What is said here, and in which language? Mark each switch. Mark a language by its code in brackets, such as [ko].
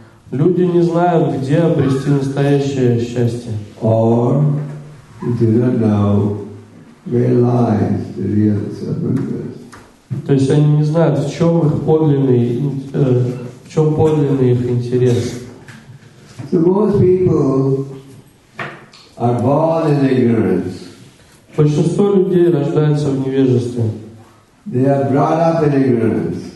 [ru] Люди не знают, где обрести настоящее счастье. [en] Or they don't know where lies the real suffering. [ru] То есть они не знают, в чем их подлинный, в чем подлинный их интерес. [en] So most people are born in ignorance. [ru] Большинство людей рождаются в невежестве. [en] They are brought up in ignorance.